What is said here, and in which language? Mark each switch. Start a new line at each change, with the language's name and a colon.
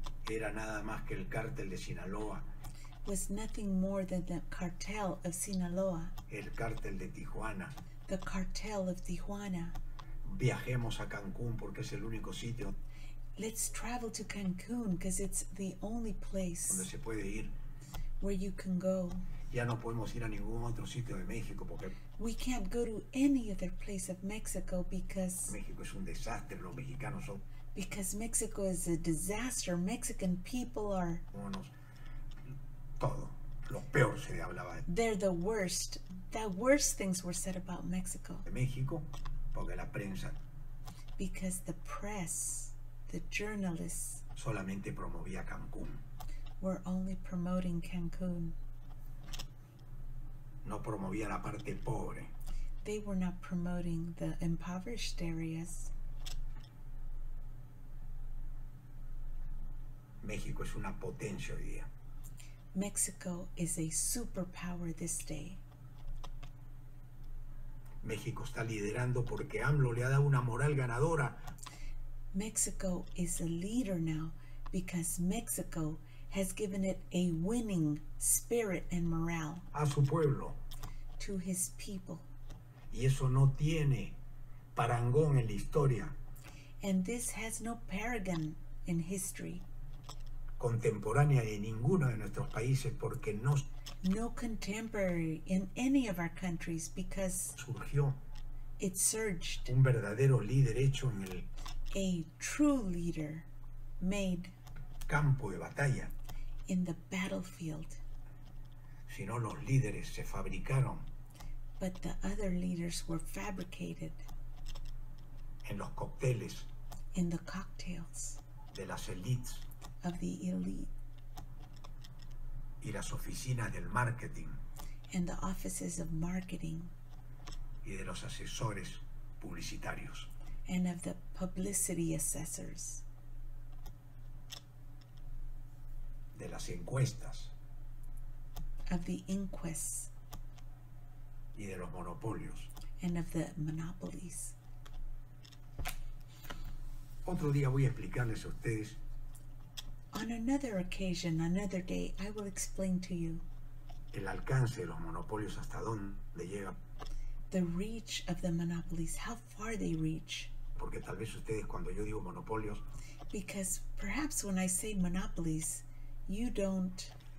Spanish: era nada más que el cártel de Sinaloa,
English: was nothing more than the cartel of Sinaloa,
Spanish: el cártel de Tijuana,
English: the cartel of Tijuana.
Spanish: Viajemos a Cancún porque es el único sitio.
English: Let's travel to Cancún because it's the only place
Spanish: donde se puede ir.
English: Where you can go.
Spanish: Ya no podemos ir a ningún otro sitio de México porque
English: we can't go to any other place of Mexico because
Spanish: México es un desastre, los mexicanos son
English: because Mexico is a disaster. Mexican people are
Spanish: unos, todo lo peor se hablaba de
English: they're the worst. The worst things were said about Mexico.
Spanish: De México porque la prensa
English: because the press, the journalists
Spanish: solamente promovía Cancún.
English: We're only promoting Cancún.
Spanish: No promovía la parte pobre.
English: They were not promoting the impoverished areas.
Spanish: México es una potencia hoy día.
English: Mexico is a superpower this day.
Spanish: México está liderando porque AMLO le ha dado una moral ganadora.
English: Mexico is a leader now because Mexico has given it a winning spirit and morale.
Spanish: A su pueblo.
English: To his people.
Spanish: Y eso no tiene parangón en la historia.
English: And this has no paragon in history.
Spanish: Contemporánea de ninguno de nuestros países porque no.
English: No contemporary in any of our countries because.
Spanish: Surgió.
English: It surged.
Spanish: Un verdadero líder hecho en el.
English: A true leader made.
Spanish: Campo de batalla.
English: In the battlefield.
Spanish: Sino los líderes se fabricaron.
English: But the other leaders were fabricated.
Spanish: En los cócteles.
English: In the cocktails.
Spanish: De las élites.
English: Of the elite.
Spanish: Y las oficinas del marketing.
English: And the offices of marketing.
Spanish: Y de los asesores publicitarios.
English: And of the publicity assessors.
Spanish: De las encuestas.
English: Of the inquests.
Spanish: Y de los monopolios.
English: And of the monopolies.
Spanish: Otro día voy a explicarles a ustedes.
English: On another occasion, another day, I will explain to you.
Spanish: El alcance de los monopolios hasta dónde llega.
English: The reach of the monopolies, how far they reach.
Spanish: Porque tal vez ustedes cuando yo digo monopolios.
English: Because perhaps when I say monopolies, you don't